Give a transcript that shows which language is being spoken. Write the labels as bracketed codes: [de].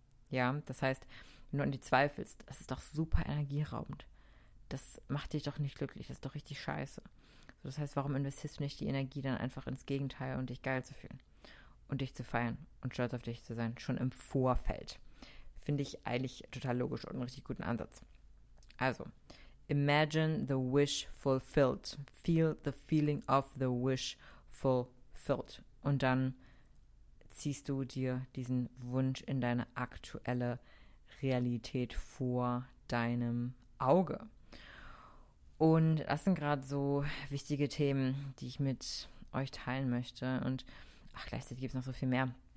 [de] Ja, das heißt, wenn du an die zweifelst, das ist doch super energieraubend. Das macht dich doch nicht glücklich, das ist doch richtig scheiße. Das heißt, warum investierst du nicht die Energie dann einfach ins Gegenteil und dich geil zu fühlen und dich zu feiern und stolz auf dich zu sein, schon im Vorfeld? Finde ich eigentlich total logisch und einen richtig guten Ansatz. [en] Also, imagine the wish fulfilled. Feel the feeling of the wish fulfilled. [de] Und dann ziehst du dir diesen Wunsch in deine aktuelle Realität vor deinem Auge. Und das sind gerade so wichtige Themen, die ich mit euch teilen möchte. Und ach, gleichzeitig gibt es noch so viel mehr.